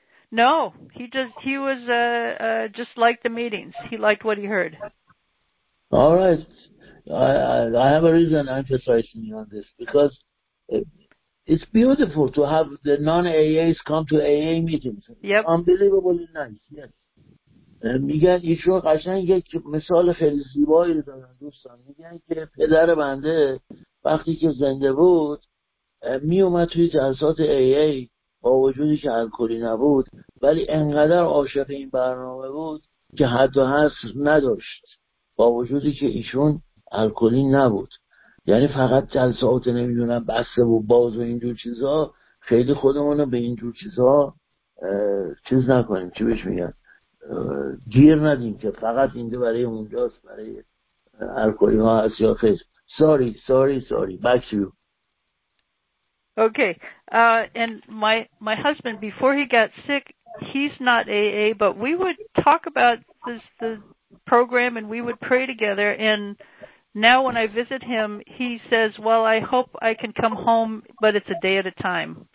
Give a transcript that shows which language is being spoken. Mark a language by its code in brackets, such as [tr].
[en] No, he was just liked the meetings. He liked what he heard. All right. I have a reason emphasizing on this, because it's beautiful to have the non-AAs come to AA meetings. Yep. Unbelievably nice, yes. [fa] میگن ایشون قشنگ یک مثال خیلی زیبایی رو دارن دوستان. میگن که پدر بنده وقتی که زنده بود می اومد توی جلسات AA با وجودی که الکلی نبود، ولی انقدر عاشق این برنامه بود که حد و حصر نداشت با وجودی که ایشون الکلی نبود. یعنی فقط جلسات نمیدونم بسته و باز و اینجور چیزا، خیلی خودمونو به اینجور چیزا چیز نکنیم، چی بهش میگن، گیر ندیم که فقط اینجا برای اونجاست برای الکلی ها هست یا خیلی. [en] Sorry. Back to you. Okay. And my husband, before he got sick, he's not AA, but we would talk about this, the program, and we would pray together, and now when I visit him, he says, well, I hope I can come home, but it's a day at a time.